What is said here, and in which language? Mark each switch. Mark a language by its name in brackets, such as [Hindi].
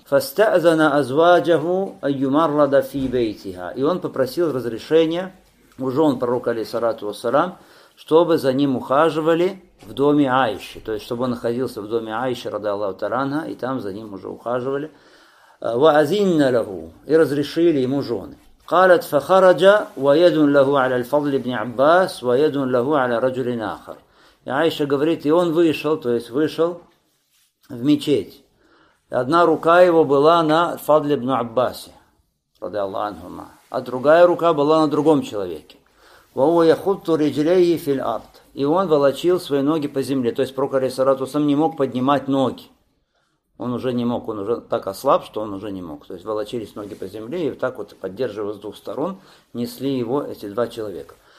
[Arabic] «Фастазана азваджаху айюмаррада фи бейтиха». [Russian] И он попросил разрешения у жен пророк, алейхиссалату вассалям, чтобы за ним ухаживали в доме Айши. То есть, чтобы он находился в доме Айши, рады Аллаху таранха, и там за ним уже ухаживали. [Arabic] وَأَذِنَّ لَهُ [Russian] и разрешили ему жены. [Arabic] قَالَتْ فَخَرَجَ وَيَدٌ لَهُ عَلَى الْفَضْلِ بْنِ عَبَّاسِ وَيَدٌ لَهُ عَلَى رَجُلٍ آخَرٍ. [Russian] И Айша говорит, и он вышел, то есть вышел в мечеть. И одна рука его была на Фадле ибн Аббасе, [Arabic] رضي الله عنهما, [Russian] а другая рука была на другом человеке. [Arabic] وَهُوَ يَخُطُّ رِجْلَيْهِ فِي الْأَرْضِ. [Russian] И он волочил свои ноги по земле, то есть пророк алейхиссалату вассалям не мог поднимать ноги. Он уже не мог, он уже так ослаб, что он уже не мог. То есть волочились ноги по земле, и так вот, поддерживая с двух сторон, несли его эти два человека.